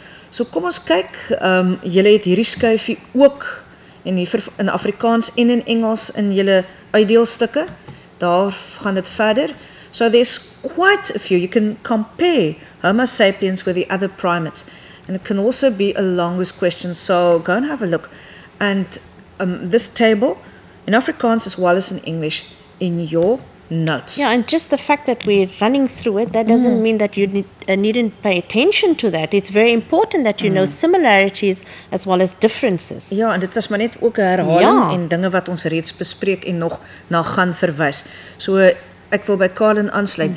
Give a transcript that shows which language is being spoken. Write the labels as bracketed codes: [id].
[af] So kom ons kyk, julle het hierdie skuifie ook in Afrikaans en in Engels in julle uitdeelstukke. Daar gaan dit verder. [en] So there's quite a few. You can compare Homo sapiens with the other primates. And it can also be a longest question. So go and have a look. And this table in Afrikaans as well as in English in your notes. Yeah, and just the fact that we're running through it, that doesn't mean that you needn't pay attention to that. It's very important that you know similarities as well as differences. [af] Ja, en dit was maar net ook 'n herhaling en dinge wat ons reeds bespreek en nog na gaan verwys. So ek wil by Colin aansluit.